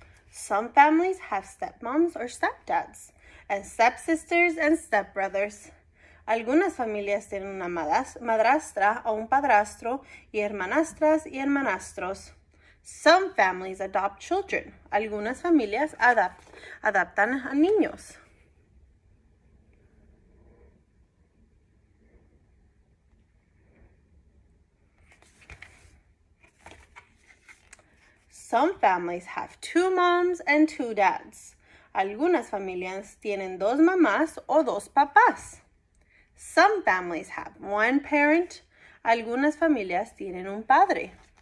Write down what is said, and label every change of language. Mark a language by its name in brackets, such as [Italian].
[English] Some families have stepmoms or stepdads, and stepsisters and stepbrothers. [Spanish] Algunas familias tienen una madrastra o un padrastro y hermanastras y hermanastros. [English] Some families adopt children. [Spanish] Algunas familias adoptan a niños. [English] Some families have two moms and two dads. [Spanish] Algunas familias tienen dos mamás o dos papás. [English] Some families have one parent. [Spanish] Algunas familias tienen un padre.